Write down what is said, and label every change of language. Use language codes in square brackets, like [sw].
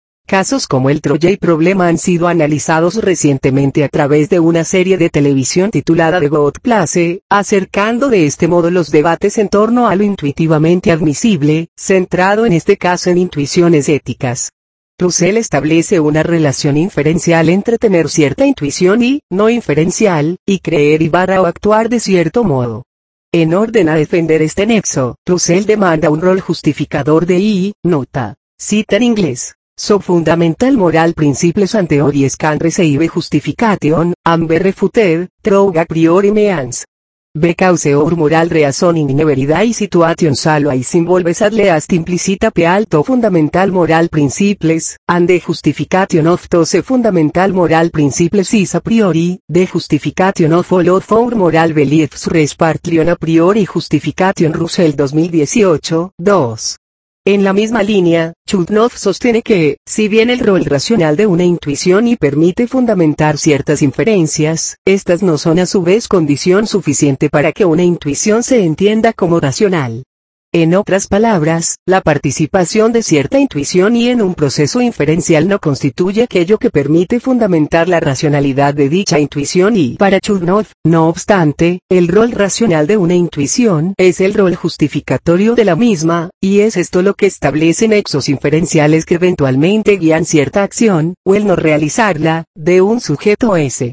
[es] Casos como el Trolley Problem han sido analizados recientemente a través de una serie de televisión titulada The God Place, acercando de este modo los debates en torno a lo intuitivamente admisible, centrado en este caso en intuiciones éticas. Russell establece una relación inferencial entre tener cierta intuición y, no inferencial, y creer y barra o actuar de cierto modo. En orden a defender este nexo, Russell demanda un rol justificador de y, nota. Cita en inglés. [en] So fundamental moral principles and theories can receive justification, and be refuted, through a priori means. Because our moral reasoning in everyday situations always involves at least implicit appeal to fundamental moral principles, and the justification of those fundamental moral principles is a priori, the justification of all of our moral beliefs rests partly on a priori justification. [es] Russell 2018, 2. En la misma línea, Chudnov sostiene que, si bien el rol racional de una intuición y permite fundamentar ciertas inferencias, estas no son a su vez condición suficiente para que una intuición se entienda como racional. En otras palabras, la participación de cierta intuición y en un proceso inferencial no constituye aquello que permite fundamentar la racionalidad de dicha intuición y, para Chudnov, no obstante, el rol racional de una intuición es el rol justificatorio de la misma, y es esto lo que establece nexos inferenciales que eventualmente guían cierta acción, o el no realizarla, de un sujeto S.